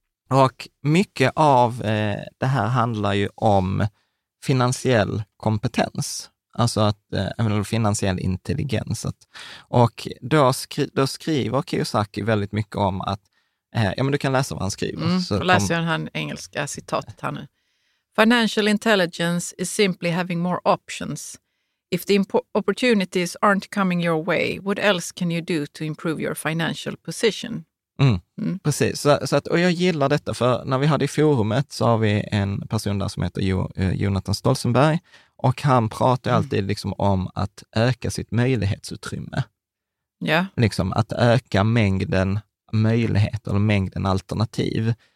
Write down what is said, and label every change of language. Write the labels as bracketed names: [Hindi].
[Swedish] Och mycket av det här handlar ju om finansiell kompetens. Alltså att finansiell intelligens. Och då skriver Kiyosaki väldigt mycket om att, du kan läsa vad han skriver. Då läser jag den engelska citatet här nu. [English] Financial intelligence is simply having more options. If the opportunities aren't coming your way, what else can you do to improve your financial position? [Swedish] Precis. Så att, och jag gillar detta, för när vi hade i forumet så har vi en person där som heter Jonathan Stolzenberg, och han pratar alltid liksom om att öka sitt möjlighetsutrymme. Ja. Liksom att öka mängden möjligheter eller mängden alternativ.